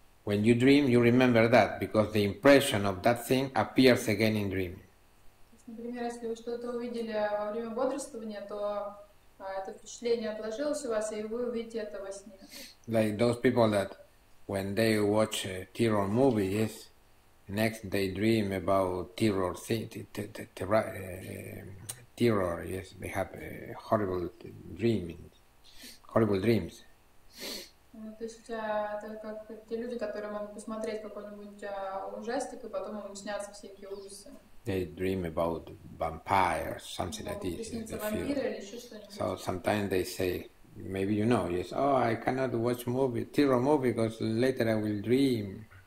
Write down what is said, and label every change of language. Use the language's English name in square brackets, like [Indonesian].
[English] When you dream, you remember that because the impression of that thing appears again in dreaming. [Russian] Например, если вы что-то увидели во время бодрствования, то это впечатление отложилось у вас, и вы увидите это во сне. [English] Like those people that when they watch terror movies, next they dream about terror things, terror, yes, they have horrible dreams. [Russian] То есть это как те люди, которые могут посмотреть какой-нибудь ужастик, и потом им снятся всякие ужасы. [English] They dream about vampires, something like this. They feel. So sometimes they say, maybe you know, yes, oh, I cannot watch movie, terror movie, because later I will dream.